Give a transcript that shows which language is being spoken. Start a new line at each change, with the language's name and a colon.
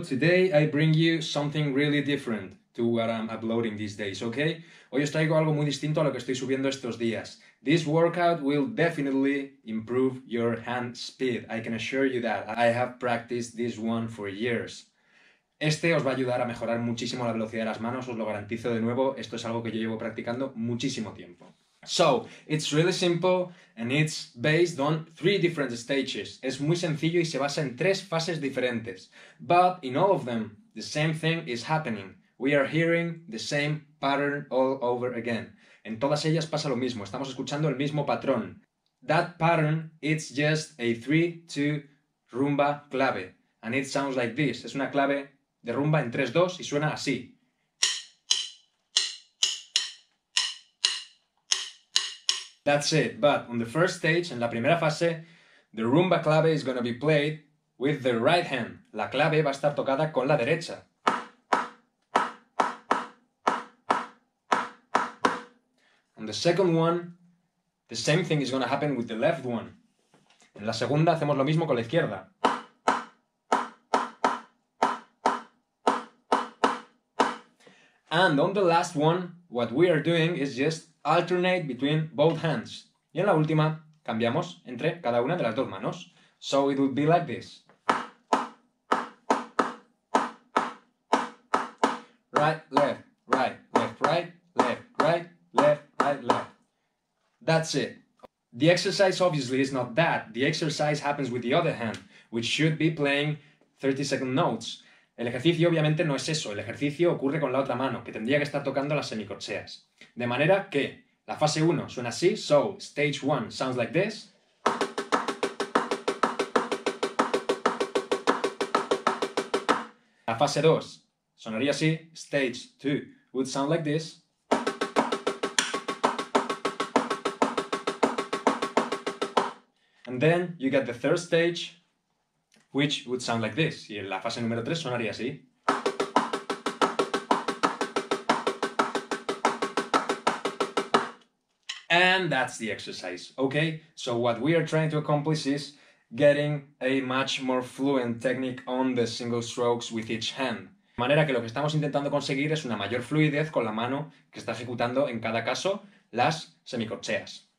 English: Today I bring you something really different to what I'm uploading these days, okay?
Spanish: Hoy os traigo algo muy distinto a lo que estoy subiendo estos días.
English: This workout will definitely improve your hand speed. I can assure you that. I have practiced this one for years.
Spanish: Este os va a ayudar a mejorar muchísimo la velocidad de las manos, os lo garantizo de nuevo. Esto es algo que yo llevo practicando muchísimo tiempo.
English: So, it's really simple and it's based on three different stages.
Spanish: Es muy sencillo y se basa en tres fases diferentes.
English: But in all of them, the same thing is happening. We are hearing the same pattern all over again.
Spanish: En todas ellas pasa lo mismo, estamos escuchando el mismo patrón.
English: That pattern, it's just a 3-2 rumba clave. And it sounds like this.
Spanish: Es una clave de rumba en 3-2 y suena así.
English: That's it, but on the first stage,
Spanish: en la primera fase,
English: the rumba clave is going to be played with the right hand.
Spanish: La clave va a estar tocada con la derecha.
English: On the second one, the same thing is going to happen with the left one.
Spanish: En la segunda hacemos lo mismo con la izquierda.
English: And on the last one, what we are doing is just alternate between both hands.
Spanish: Y en la última, cambiamos entre cada una de las dos manos.
English: So it would be like this. Right, left, right, left, right, left, right, left, right, left. That's it. The exercise obviously is not that. The exercise happens with the other hand, which should be playing 30 second notes.
Spanish: El ejercicio obviamente no es eso. El ejercicio ocurre con la otra mano, que tendría que estar tocando las semicorcheas. De manera que la fase 1 suena así,
English: so stage 1 sounds like this.
Spanish: La fase 2 sonaría así,
English: stage 2 would sound like this. And then you get the third stage, which would sound like this.
Spanish: Y la fase número 3 sonaría así.
English: And that's the exercise, okay? So what we are trying to accomplish is getting a much more fluent technique on the single strokes with each hand.
Spanish: De manera que lo que estamos intentando conseguir es una mayor fluidez con la mano que está ejecutando, en cada caso, las semicorcheas.